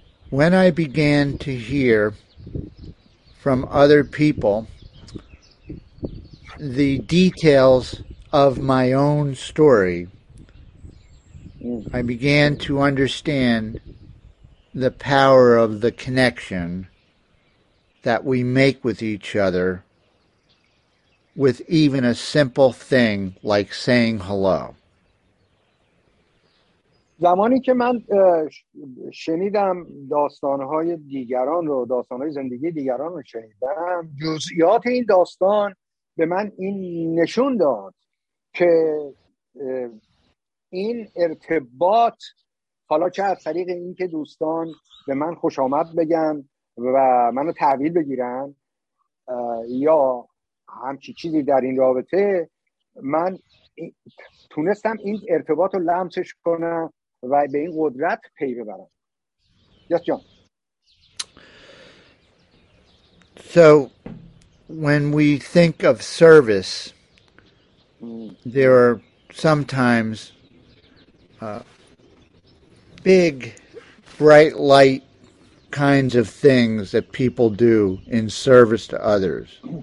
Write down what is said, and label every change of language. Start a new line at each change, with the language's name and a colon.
English: When I began to hear from other people the details of my own story, I began to understand the power of the connection that we make with each other with even a simple thing like saying hello.
Persian: زمانی که من شنیدم داستان‌های دیگران رو، داستان‌های زندگی دیگران رو شنیدم، جزئیات این داستان به من این نشون داد که این ارتباط، حالا چه از طریق این که دوستان به من خوش آمد بگن و منو تحویل بگیرن یا همچی چیزی در این رابطه، من تونستم این ارتباط رو لمسش کنم و به این قدرت پی ببرم.
English: یاس جان. So when we think of service, there are sometimes big bright light kinds of things that people do in service to others.